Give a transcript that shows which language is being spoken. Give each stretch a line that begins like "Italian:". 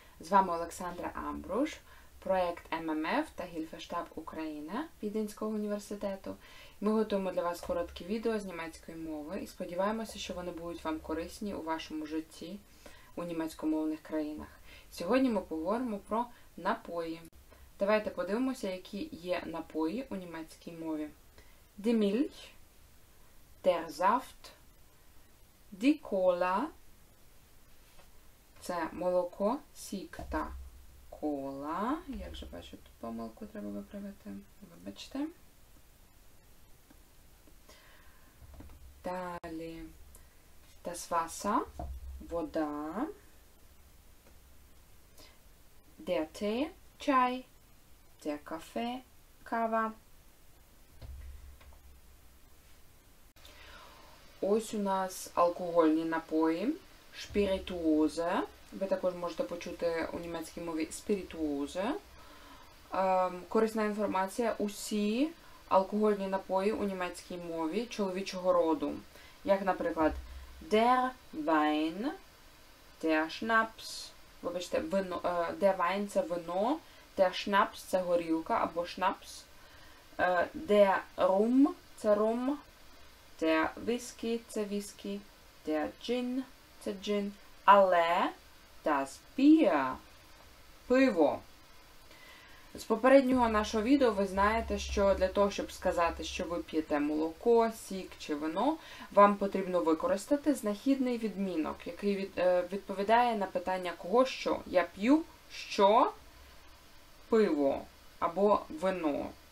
Polish: Z wami
Ukrainian: Aleksandra Ambrusz, projekt MMF та Гільфештаб Україна Віденського університету. Ми готуємо для вас короткі відео з німецької мови і сподіваємося, що вони будуть вам корисні у вашому житті у німецькомовних країнах. Сьогодні ми поговоримо про напої. Давайте подивимося, які є напої у німецькій мові.
German: Die Milch, der Saft, die Cola.
Ukrainian: Це молоко, сікта, кола. Як же бачу, тут помилку треба виправити. Вибачте. Далі.
German: Das Wasser,
Ukrainian: вода.
German: Der Tee,
Ukrainian: чай.
German: Der Kaffee,
Ukrainian: кава. Ось у нас алкогольні напої. Спіритуози. Ви також можете почути у німецькій мові спіритуози. Корисна інформація. Усі алкогольні напої у німецькій мові чоловічого роду. Як, наприклад,
German: der Wein, der Schnaps.
Ukrainian: Вибачте, вино,
German: der Wein
Ukrainian: – це вино,
German: der Schnaps
Ukrainian: – це горілка або Schnaps.
German: Der Rum –
Ukrainian: це рум.
German: Der Whisky
Ukrainian: – це віскі,
German: der Gin
Ukrainian: – це Gin, але
German: das Bier
Ukrainian: – пиво. З попереднього нашого відео ви знаєте, що для того, щоб сказати, що ви п'єте молоко, сік чи вино, вам потрібно використати знахідний відмінок, який відповідає на питання «кого що?». Я п'ю що? Пиво або вино.